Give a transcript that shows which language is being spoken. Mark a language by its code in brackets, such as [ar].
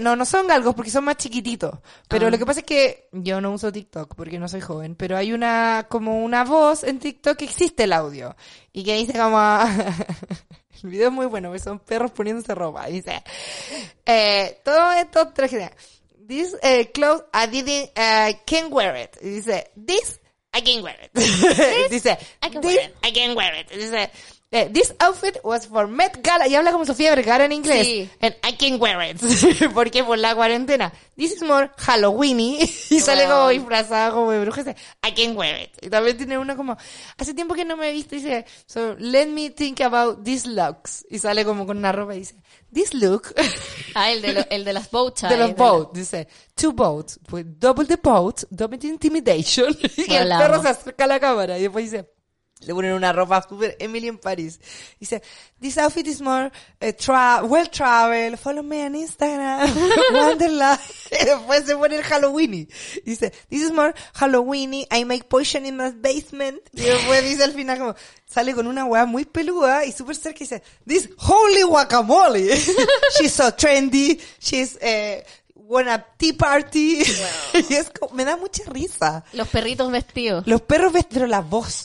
[es] No son galgos porque son más chiquititos. Pero lo que pasa es que yo no uso TikTok porque no soy joven. Pero hay una como una voz en TikTok que existe el audio. Y que dice como... El video es muy bueno, porque son perros poniéndose ropa. Dice, todo esto tragedia. [en] This clothes, I didn't, can't wear it. [es] Y dice, [en] this, I can't wear it. [es] Dice, [en] this, I can't wear it. [es] Dice, [en] this outfit was for Met Gala. [es] Y habla como Sofía Vergara en inglés. Sí. [en] And I can't wear it. [es] Porque por la cuarentena. [en] This is more Halloween-y. [es] Y sale como disfrazada, como de bruja. Dice, [en] I can't wear it. [es] Y también tiene una como, hace tiempo que no me he visto. Dice, [en] so let me think about these looks. [es] Y sale como con una ropa y dice, [en] this look. [es] Ah, el de las boats. De los [en] boats. [es] Dice, [en] two boats. Double the boats. Double the intimidation. [es] Y el perro se acerca a la cámara. Y después dice, le ponen una ropa super Emily en París. Dice, [en] this outfit is more well traveled. Follow me on Instagram. Wonderland. [es] Después se pone el Halloween. Dice, [en] this is more Halloween. I make potion in my basement. [es] Y después dice al final como, sale con una wea muy peluda y super cerca y dice, [en] this holy guacamole. She's so trendy. She's, [es] buena [en] tea party. Wow. [es] Y es como, me da mucha risa. Los perritos vestidos. Los perros vestidos, pero la voz.